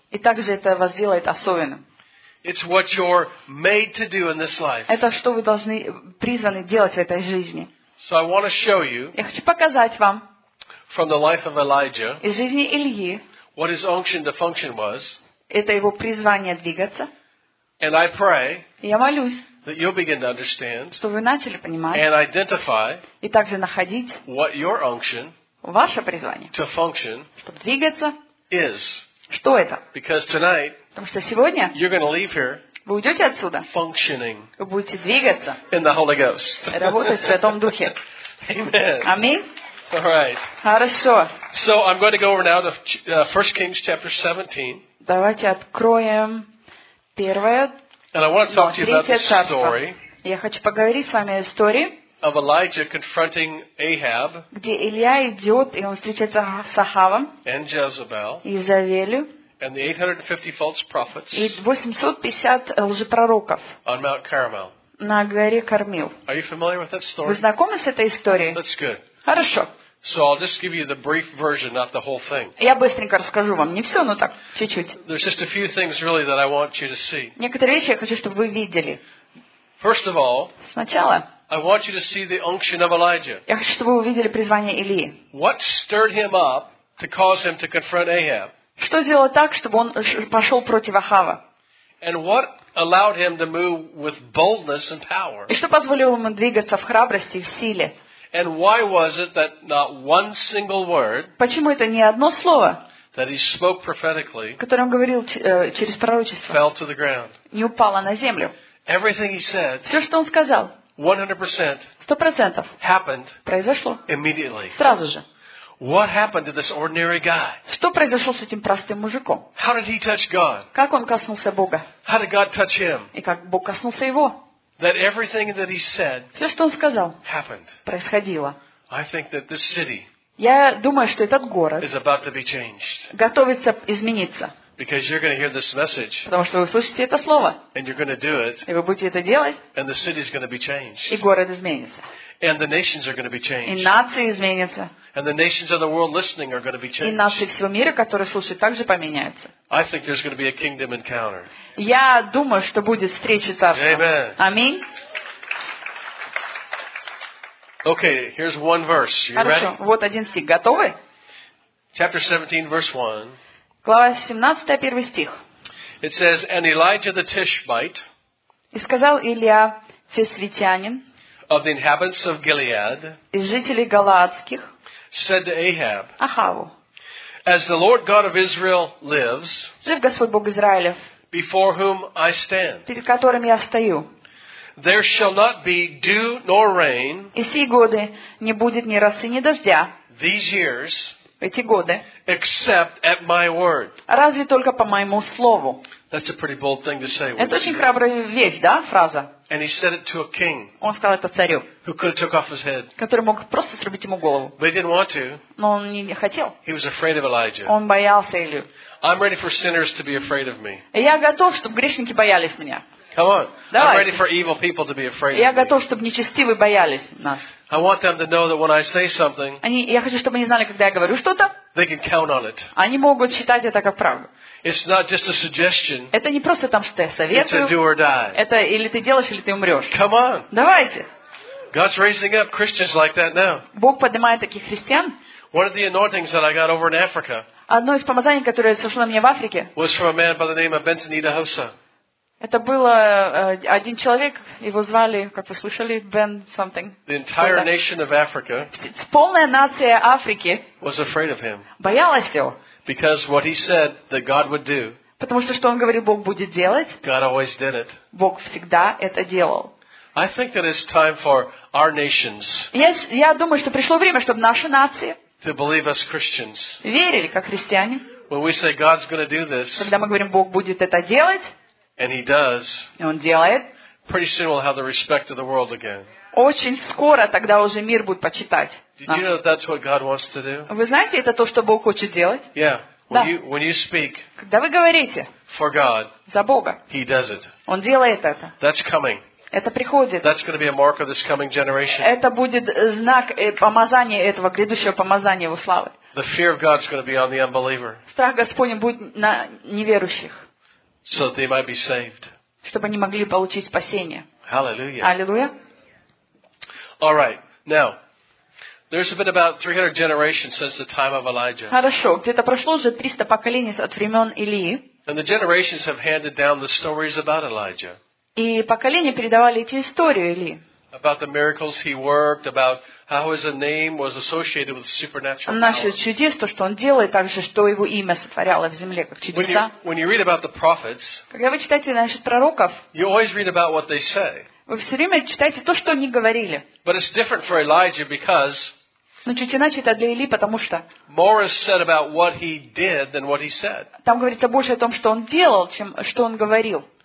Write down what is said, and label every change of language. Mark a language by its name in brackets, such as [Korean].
[Russian] И также это вас делает особенным. [English] It's what you're made to do in this life. [Russian] Это что вы должны призваны делать в этой жизни. [English] So I want to show you. [Russian] Я хочу показать вам. [English] From the life of Elijah. [Russian] Из жизни Ильи. [English] What his unction to function was. [Russian] Это его призвание двигаться. [English] And I pray [Russian] я молюсь, [English] that you'll begin to understand [Russian] понимать, [English] and identify what your unction [Russian] ваше призвание, [English] to function [Russian] чтобы двигаться, [English] is. [Russian] Что это? [English] Because tonight [Russian] потому что сегодня, [English] you're going to leave here [Russian] вы уйдете отсюда, [English] functioning [Russian] вы будете двигаться, [English] in the Holy Ghost. [Russian] Работать в Святом Духе. [English] Amen. [Russian] Аминь. [English] All right. [Russian] Хорошо. [English] So I'm going to go over now to 1 Kings chapter 17. [Russian] Давайте откроем. [English] And I want to talk to you about the story. [Russian] Я хочу поговорить с вами о истории. [English] Of Elijah confronting Ahab. [Russian] Где Илья идет и он встречается с Ахавом. [English] And Jezebel. [Russian] И Изавелью. [English] And the 850 false prophets. [Russian] И 850 лжепророков. [English] On Mount Carmel. [Russian] На горе Кармил. [English] Are you familiar with that story? [Russian] Вы знакомы с этой историей? [English] That's good. [Russian] Хорошо. [English] So I'll just give you the brief version, not the whole thing. [Russian] Я быстренько расскажу вам не все, но так чуть-чуть. [English] There's just a few things really that I want you to see. [Russian] Некоторые вещи я хочу, чтобы вы видели. [English] First of all, [Russian] сначала, [English] I want you to see the unction of Elijah. [Russian] Я хочу, чтобы вы увидели призвание Ильи. [English] What stirred him up to cause him to confront Ahab? [Russian] Что сделало так, чтобы он пошел против Ахава? [English] And what allowed him to move with boldness and power? [Russian] И что позволило ему двигаться в храбрости и в силе? [English] And why was it that not one single word? [Russian] Почему это не одно слово? [English] That he spoke prophetically. [Russian] Которое он говорил через пророчество. [English] Fell to the ground. [Russian] Не упало на землю. [English] Everything he said. [Russian] Все, что он сказал. [English] 100%. [Russian] 100%. [English] Happened. [Russian] Произошло. [English] Immediately. [Russian] Сразу же. [English] What happened to this ordinary guy? [Russian] Что произошло с этим простым мужиком? [English] How did he touch God? [Russian] Как он коснулся Бога? [English] How did God touch him? [Russian] И как Бог коснулся его? [English] That everything that he said [Russian] все, что он сказал, [English] happened. [Russian] Происходило. [English] I think that this city [Russian] я думаю, что этот город [English] is about to be changed. [Russian] Готовится измениться. [English] Because you're going to hear this message, [Russian] потому что вы услышите это слово. [English] And you're going to do it, [Russian] и вы будете это делать. [English] And the city is going to be changed. [Russian] И город изменится. [English] And the nations are going to be changed. [Russian] И нации изменятся. [English] And the nations of the world listening are going to be changed. [Russian] И нации всего мира, которые слушают, также поменяются. [English] I think there's going to be a kingdom encounter. [Russian] Я думаю, что будет встреча царства. [English] Amen. [Russian] Аминь. [English] Okay, here's one verse. You [Russian] хорошо, [English] ready? [Russian] Вот один стих. Готовы? [English] Chapter 17, verse 1. [Russian] Глава 17, первый стих. [English] It says, "And Elijah the Tishbite." [Russian] И сказал Илия Тисвитянин. [English] Of the inhabitants of Gilead, [Russian] из жителей Галаадских, [English] said to Ahab, [Russian] Ахаву, [English] as the Lord God of Israel lives, [Russian] жив Господь Бог Израилев, [English] before whom I stand, [Russian] перед которым я стою, [English] there shall not be dew nor rain, [Russian] и сии годы не будет ни росы, ни дождя, [English] these years, [Russian] эти годы, [English] except at my word, [Russian] разве только по моему слову. [English] That's a pretty bold thing to say. [Russian] Это очень храбрая вещь, да, фраза. [English] And he said it to a king. [Russian] Он сказал это царю. [English] Who could have took off his head? [Russian] Который мог просто срубить ему голову. [English] But he didn't want to. [Russian] Но он не хотел. [English] He was afraid of Elijah. [Russian] Он боялся Илью. [English] I'm ready for sinners to be afraid of me. [Russian] Я готов, чтобы грешники боялись меня. [English] Come on. [Russian] Давайте. [English] I'm ready for evil people to be afraid. [Russian] Я [English] of [Russian] готов, [English] me. [Russian] Чтобы нечестивые боялись нас. [English] I want them to know that when I say something. [Russian] Они, я хочу, чтобы они знали, когда я говорю что-то. [English] They can count on it. [Russian] Они могут считать это как правду. [English] It's not just a suggestion. [Russian] Это не просто там что я советую. [English] It's a do or die. [Russian] Это или ты делаешь, или ты умрешь. [English] Come on. [Russian] Давайте. [English] God's raising up Christians like that now. [Russian] Бог поднимает таких христиан. [English] One of the anointings that I got over in Africa. [Russian] Одно из помазаний, которое сошло мне в Африке. [English] Was from a man by the name of Benton Idahosa. [Russian] Это было один человек, его звали, как вы слышали, Бен [English] something. The entire nation of Africa. [Russian] Полная нация Африки. [English] Was afraid of him. [Russian] Боялась его. [English] Because what he said that God would do. [Russian] Потому что, что он говорит, Бог будет делать. [English] God always did it. [Russian] Бог всегда это делал. [English] I think that it's time for our nations. Yes, [Russian] я думаю, что пришло время, чтобы наши нации [English] to believe us Christians. [Russian] Верили как христиане. [English] When we say God's going to do this. [Russian] Когда мы говорим, Бог будет это делать. [English] And he does. [Russian] И он делает. [English] Pretty soon we'll have the respect of the world again. [Russian] Очень скоро тогда уже мир будет почитать. [English] Did you know that that's what God wants to do? [Russian] Вы знаете, это то, что Бог хочет делать? [English] Yeah. [Russian] Да. [English] When you speak. [Russian] Когда вы говорите. [English] For God. [Russian] За Бога. [English] He does it. [Russian] Он делает это. [English] That's coming. [Russian] Это приходит. [English] That's going to be a mark of this coming generation. [Russian] Это будет знак помазания этого грядущего помазания его славы. [English] The fear of God is going to be on the unbeliever. [Russian] Страх Господень будет на неверующих. [English] So that they might be saved. [Russian] Чтобы они могли получить спасение. [English] Hallelujah. Hallelujah. All right. Now, there's been about 300 generations since the time of Elijah. [Russian] Хорошо, где-то прошло уже 300 поколений от времен Илии. [English] And the generations have handed down the stories about Elijah. [Russian] И поколения передавали эти истории Илии. [English] About the miracles he worked, about how his name was associated with supernatural power. [Russian] Насчет чудес, то, что он делает, также, что его имя сотворяло в земле, как чудеса. [English] When you read about the prophets, [Russian] когда вы читаете насчет пророков, [English] you always read about what they say. [Russian] Вы все время читаете то, что они говорили. [English] But it's different for Elijah because [Russian] но чуть иначе это для Илии, потому что [English] more is said about what he did than what he said. [Russian] Там говорится больше о том, что он делал, чем что он говорил.